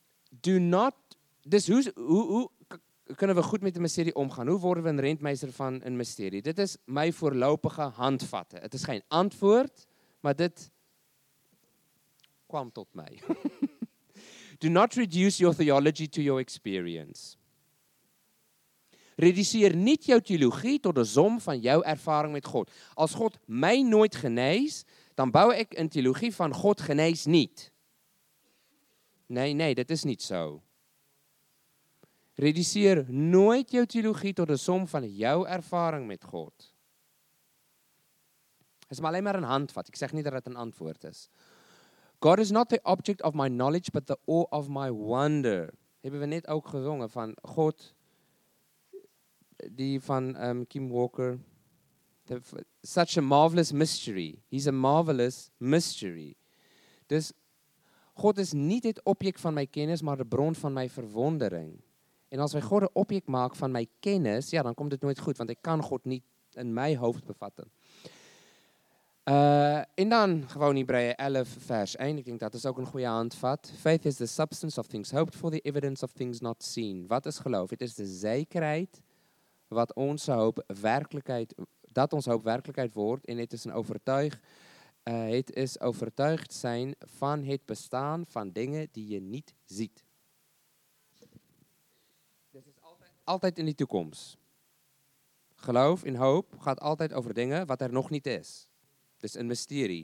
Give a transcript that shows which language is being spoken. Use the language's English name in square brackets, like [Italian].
[English] Do not, [Dutch] dus hoe kunnen we goed met de mysterie omgaan? Hoe worden we een rentmeester van een mysterie? Dit is mijn voorlopige handvatten. Het is geen antwoord, maar dit kwam tot mij. [English] Do not reduce your theology to your experience. [Dutch] Reduceer niet jouw theologie tot de som van jouw ervaring met God. Als God mij nooit geneest, dan bouw ik een theologie van God geneest niet. Nee, dat is niet zo. Reduceer nooit jouw theologie tot de som van jouw ervaring met God. Het is maar alleen maar een handvat. Ik zeg niet dat het een antwoord is. [English] God is not the object of my knowledge, but the awe of my wonder. [Dutch] Hebben we net ook gezongen van God, die van Kim Walker. [English] Such a marvelous mystery. He's a marvelous mystery. [Dutch] Dus God is niet het object van mijn kennis, maar de bron van mijn verwondering. En als wij God het object maken van mijn kennis, ja, dan komt het nooit goed, want ik kan God niet in mijn hoofd bevatten. En dan gewoon Hebreeën 11 vers 1, ik denk dat is ook een goede handvat. [English] Faith is the substance of things hoped for, the evidence of things not seen. [Dutch] Wat is geloof? Het is de zekerheid wat onze hoop werkelijkheid, dat onze hoop werkelijkheid wordt. En het is een het is overtuigd zijn van het bestaan van dingen die je niet ziet. Dus het is altijd in die toekomst. Geloof in hoop gaat altijd over dingen wat er nog niet is. Het is een mysterie.